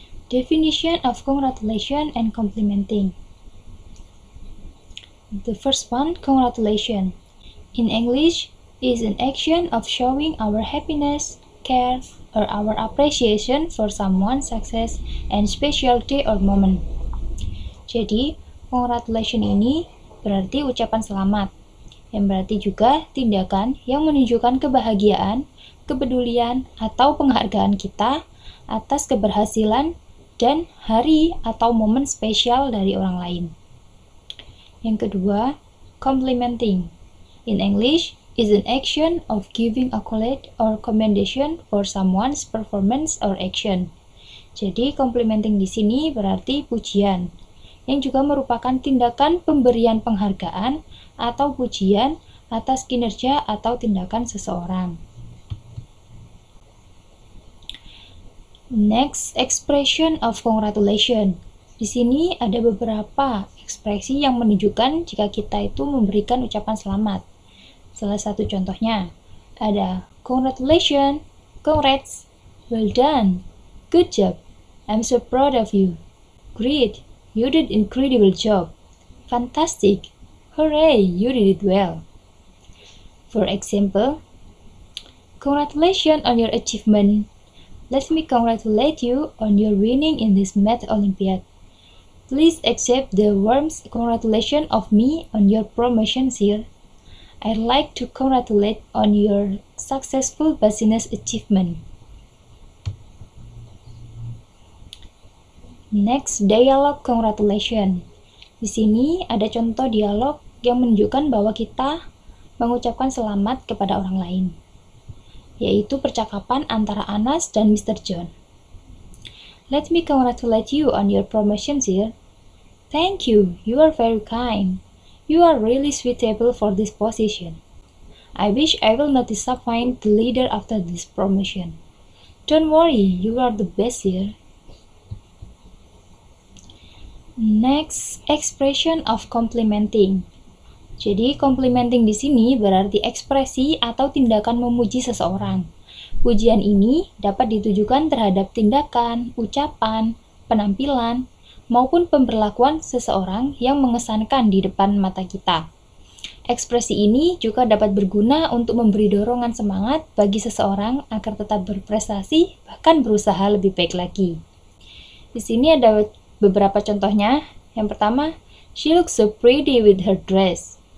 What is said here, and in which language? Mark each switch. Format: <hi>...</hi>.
<en>Definition of congratulation and complimenting. The first one, congratulation. In English, is an action of showing our happiness, care, or our appreciation for someone's success and special day or moment.</en> <id>Jadi, congratulation ini berarti ucapan selamat, yang berarti juga tindakan yang menunjukkan kebahagiaan, kepedulian, atau penghargaan kita atas keberhasilan dan hari atau momen spesial dari orang lain. Yang kedua,</id> <en>complimenting. In English, is an action of giving accolade or commendation for someone's performance or action.</en> <id>Jadi, complimenting di sini berarti pujian, yang juga merupakan tindakan pemberian penghargaan atau pujian atas kinerja atau tindakan seseorang.</id> <en>Next, expression of congratulation.</en> <id>Di sini ada beberapa ekspresi yang menunjukkan jika kita itu memberikan ucapan selamat. Salah satu contohnya ada</id> <en>congratulations, congrats, well done, good job, I'm so proud of you, great, you did incredible job, fantastic, hooray, you did it well. For example, congratulations on your achievement. Let me congratulate you on your winning in this math Olympiad. Please accept the warm congratulations of me on your promotion, sir. I'd like to congratulate on your successful business achievement. Next, dialogue congratulations.</en> <id>Di sini ada contoh dialog yang menunjukkan bahwa kita mengucapkan selamat kepada orang lain, yaitu percakapan antara Anas dan Mr. John.</id> <en>Let me congratulate you on your promotion, sir. Thank you, you are very kind. You are really suitable for this position. I wish I will not disappoint the leader after this promotion. Don't worry, you are the best here. Next, expression of complimenting.</en> <id>Jadi, complimenting di sini berarti ekspresi atau tindakan memuji seseorang. Pujian ini dapat ditujukan terhadap tindakan, ucapan, penampilan, maupun pemberlakuan seseorang yang mengesankan di depan mata kita. Ekspresi ini juga dapat berguna untuk memberi dorongan semangat bagi seseorang agar tetap berprestasi, bahkan berusaha lebih baik lagi. Di sini ada beberapa contohnya. Yang pertama,</id> <en>she looks so pretty with her dress.</en>